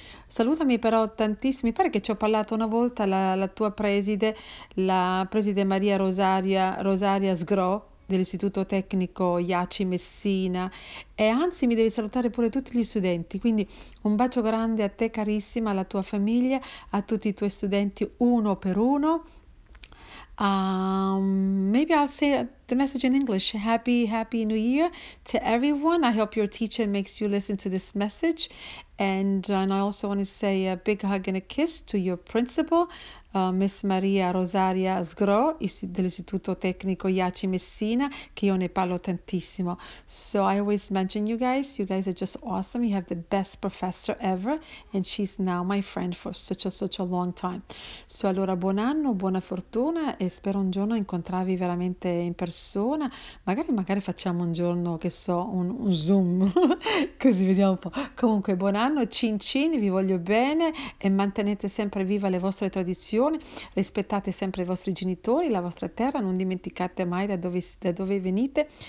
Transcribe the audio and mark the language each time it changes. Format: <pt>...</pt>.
<it>Salutami però tantissimi, pare che ci ho parlato una volta la tua preside, la preside Maria Rosaria Sgro dell'Istituto Tecnico IACI Messina, e anzi mi devi salutare pure tutti gli studenti, quindi un bacio grande a te carissima, alla tua famiglia, a tutti i tuoi studenti uno per uno.</it> <en>Maybe I'll say the message in English. Happy, happy New Year to everyone. I hope your teacher makes you listen to this message. And I also want to say a big hug and a kiss to your principal, Miss Maria Rosaria Sgro dell'Istituto Tecnico IACI Messina,</en> <it>che io ne parlo tantissimo.</it> <en>So I always mention you guys. You guys are just awesome. You have the best professor ever, and she's now my friend for such a long time.</en> <it>So allora buon anno, buona fortuna e spero un giorno incontrarvi veramente in persona. Magari facciamo un giorno, che so, un Zoom, così vediamo un po'. Comunque buon anno. Cin cin, vi voglio bene e mantenete sempre viva le vostre tradizioni, rispettate sempre i vostri genitori, la vostra terra, non dimenticate mai da dove venite.</it>